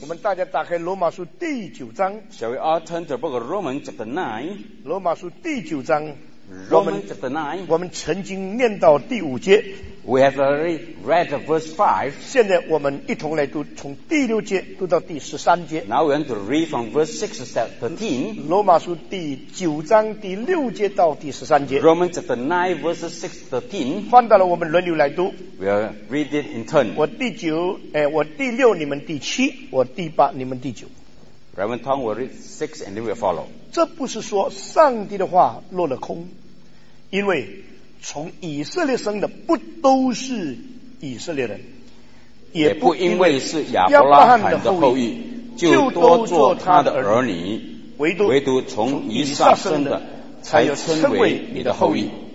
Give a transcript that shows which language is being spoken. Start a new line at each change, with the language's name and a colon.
Chinese: 我们大家打开罗马书第九章。
English: Shall we all turn to the book of Romans chapter 9?
Chinese: 罗马书第九章。
English: Romans chapter 9.
Chinese: 我们曾经念到第五节。
English: We have already read verse 5.
Chinese: 现在我们一同来读从第六节读到第十三节。
English: Now we want to read from verse 6 to 13.
Chinese: 罗马书第九章第六节到第十三节。
English: Romans chapter 9 verse 6 to 13.
Chinese: 换到了我们轮流来读。
English: We'll read it in turn.
Chinese: 我第六你们第七，我第八你们第九。
English: Reverend Tong will read 6 and then we'll follow.
Chinese: 这不是说上帝的话落了空，因为从以色列生的不都是以色列人，也不因为是亚伯拉罕的后裔就多做他的儿女，唯独从以撒生的才称为你的后裔。